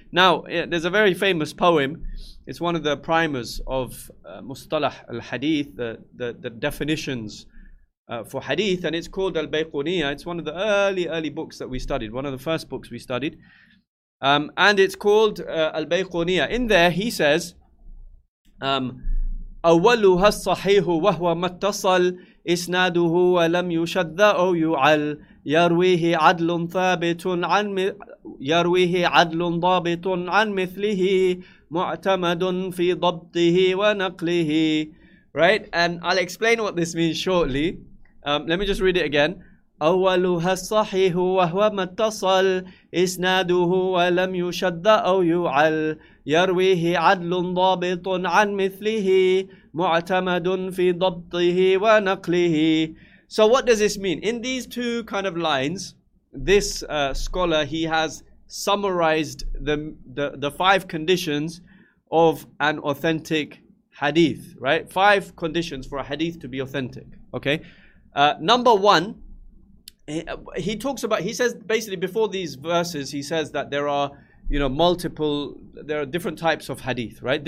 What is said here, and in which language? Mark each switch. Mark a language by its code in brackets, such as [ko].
[en] Now, there's a very famous poem. It's one of the primers of Mustalah al-Hadith, the definitions for hadith, and it's called Al-Bayquniyah. It's one of the early books that we studied, one of the first books we studied. And it's called Al-Bayquniyah. In there, he says, [ar] أَوَّلُهَا الصَّحِيحُ وَهُوَ مَتَّصَلُ إسناده ولم يشذ أو يعل يرويه عدل ثابت عن يرويه عدل ضابط عن مثله معتمد في ضبطه ونقله. [en] Right, and I'll explain what this means shortly. Let me just read it again. [ar] أولها الصحيح وهو ما اتصل إسناده ولم يشذ أو يعل يرويه عدل ضابط عن مثله معتمد في ضبطه ونقله. [en] So what does this mean? In these two kind of lines, this scholar, he has summarized the five conditions of an authentic hadith, right? Five conditions for a hadith to be authentic, okay? Number one, he talks about, he says basically before these verses, he says that there are, you know, multiple, there are different types of hadith, right?